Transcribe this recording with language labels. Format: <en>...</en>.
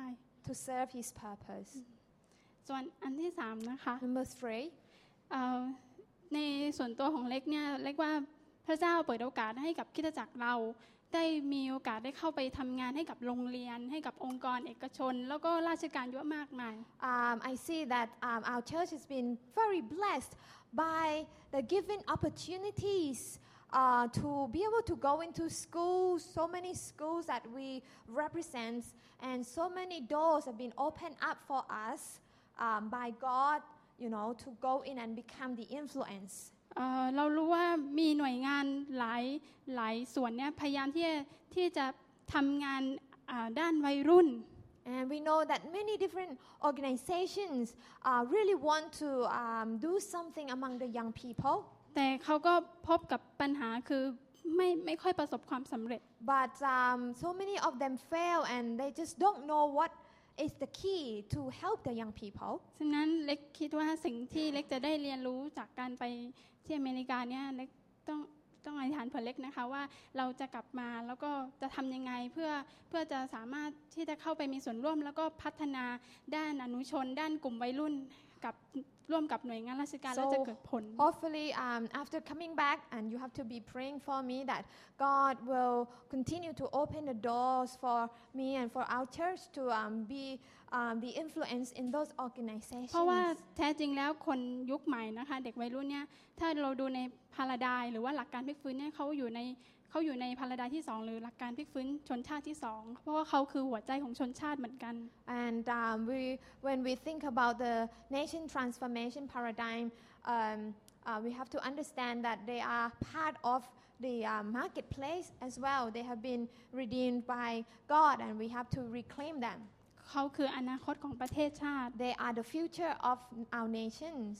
<en>to serve his purpose.</en> <th>ส่วนอันที่3นะคะ</th> <en>Number 3.</en> <th>ในส่วนตัวของเล็กเนี่ยเล็กว่าพระเจ้าเปิดโอกาสให้กับคริสตจักรเราได้มีโอกาสได้เข้าไปทำงานให้กับโรงเรียนให้กับองค์กรเอกชนแล้วก็ราชการเยอะมากมาย</th> <en>I see that our church has been very blessed by the given opportunitiesto be able to go into schools so many schools that we represent and so many doors have been opened up for us by God you know to go in and become the influence</en> <th>เรารู้ว่ามีหน่วยงานหลายส่วนเนี่ยพยายามที่จะทำงานด้านวัยรุ่น</th> <en>and we know that many different organizations really want to do something among the young people</en> <th>แต่เขาก็พบกับปัญหาคือไม่ค่อยประสบความสำเร็จ</th> <en>but so many of them fail and they just don't know what is the key to help the young people</en> <th>ฉะนั้นเล็กคิดว่าสิ่งที่เล็กจะได้เรียนรู้จากการไปที่อเมริกาเนี่ยเล็กต้องอธิษฐานเผื่อเล็กนะคะว่าเราจะกลับมาแล้วก็จะทำยังไงเพื่อจะสามารถที่จะเข้าไปมีส่วนร่วมแล้วก็พัฒนาด้านอนุชนด้านกลุ่มวัยรุ่นกับร่วมกับหน่วยงานราชการแล้วจะเกิดผล</th> <en>Hopefully after coming back and you have to be praying for me that God will continue to open the doors for me and for our church to be the influence in those organizations</en> <th>เพราะว่าแท้จริงแล้วคนยุคใหม่นะคะเด็กวัยรุ่นเนี่ยถ้าเราดูในพาราไดซ์หรือว่าหลักการพลิกฟื้นเนี่ยเขาอยู่ในพาราไดซ์ที่2หรือหลักการพลิกฟื้นชนชาติที่2เพราะว่าเขาคือหัวใจของชนชาติเหมือนกัน</th> <en>And when we think about the nation transformation paradigm we have to understand that they are part of the marketplace as well they have been redeemed by God and we have to reclaim them</en> <th>เขาคืออนาคตของประเทศชาติ</th> <en>They are the future of our nations</en>